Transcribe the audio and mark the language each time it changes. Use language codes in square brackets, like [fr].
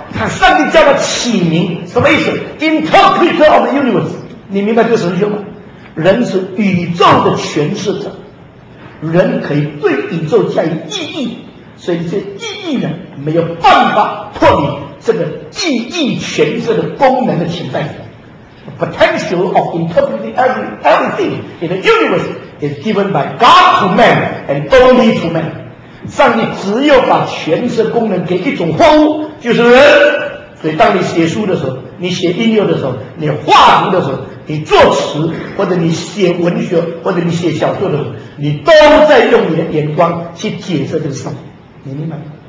[zh] 它上帝叫它起名，什么意思 ？ [en] Interpreter of the universe， [zh] 你明白这神学吗？人是宇宙的诠释者，人可以对宇宙加以意义，所以这意义呢，没有办法脱离这个记忆诠释的功能的存在。 [en] The potential of interpreting everything in the universe is given by God to man and only to man. [zh] 上帝只有把诠释功能给一种货物，就是人。所以当你写书的时候，你写音乐的时候，你画图的时候，你作词，或者你写文学，或者你写小说的时候，你都在用你的眼光去解释这个上帝。你明白吗？